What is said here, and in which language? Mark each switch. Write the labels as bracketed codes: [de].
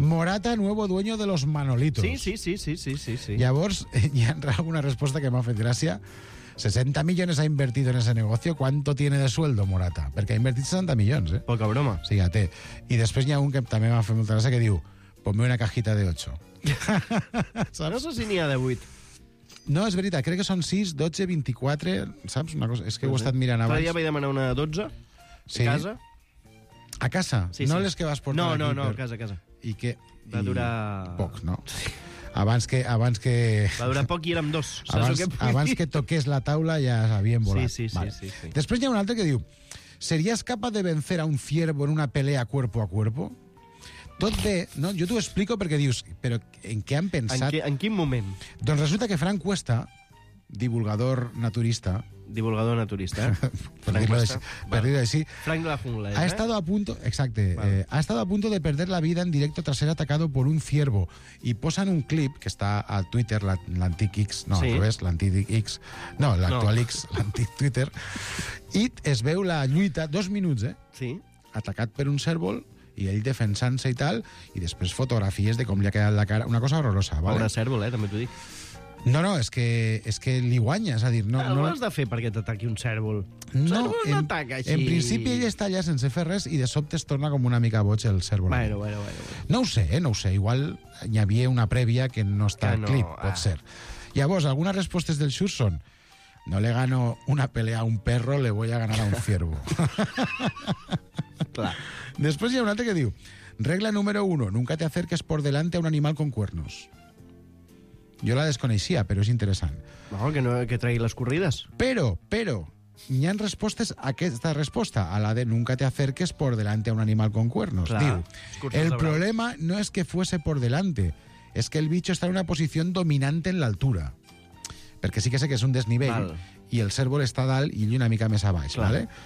[es] Morata, nuevo dueño de los Manolitos. Sí. [ca] Llavors, hi ha alguna resposta que m'ha fet gràcia. 60 milions ha invertit [es] en ese negocio. ¿Cuánto tiene de sueldo, Morata? [ca] Perquè ha invertit 60 milions, eh? Poca broma. Sí, ja té. I després n'hi ha un que també m'ha fet molta gràcia que diu, [es] ponme una cajita de 8. [ca] No sé si n'hi ha de 8. No, és veritat, crec que són 6, 12, 24, saps? Una cosa, és que sí, ho he estat mirant abans. Fa dia vaig demanar una 12, sí. A casa. A casa? Sí, no sí. Les que vas portar no, aquí? No, no, per... a casa. I què? Va durar... Poc, no? Sí. Abans que... Va durar poc i érem dos. Saps abans que toqués la taula ja havien volat. Sí. Després hi ha un altre que diu, [es] ¿serías capaz de vencer a un ciervo en una pelea cuerpo a cuerpo? [ca] Tot bé, no? Jo t'ho explico perquè dius, però en què han pensat? En quin moment? Doncs resulta que Frank Cuesta, divulgador naturista... Divulgador naturista, eh? Frank Cuesta. Per dir-ho així. Frank la jungla, [es] ha estado a punto... Exacte. Vale. Ha estado a punto de perder la vida en directo tras ser atacado por un ciervo. [ca] I posen un clip, que està a Twitter, l'antic X... No, sí. Al revés, l'antic X... No, l'actual no. X, l'antic Twitter. I es veu la lluita, 2 minuts, eh? Sí. Atacat per un cérvol, i ell defensant-se i tal, i després fotografies de com li ha quedat la cara. Una cosa horrorosa, vale? Pobre cérvol, també t'ho dic. No, no, és que li guanya, és a dir... No, no has de fer perquè t'ataqui un cérvol. No, cérvol m'ataca així. En principi ell està allà sense fer res i de sobte es torna com una mica boig el cérvol. Bueno. No ho sé, no ho sé. Igual hi havia una prèvia que no està al clip, pot ser. Llavors, algunes respostes del Xur són... [es] No le gano una pelea a un perro, le voy a ganar a un ciervo. [ca] Clar. Després hi ha un altre que diu... [es] Regla número 1, nunca te acerques por delante a un animal con cuernos. [ca] Jo la desconeixia, però és interessant. No, que no, que tregui les corrides. Però, hi ha respostes a aquesta resposta, a la de [es] nunca te acerques por delante a un animal con cuernos. [ca] Clar. [es] Diu, el problema no es que fuese por delante, es que el bicho está en una posición dominante en la altura. [ca] Perquè sí que sé que és un desnivell, val. I el cérvol està dalt i ell una mica més a baix, vale?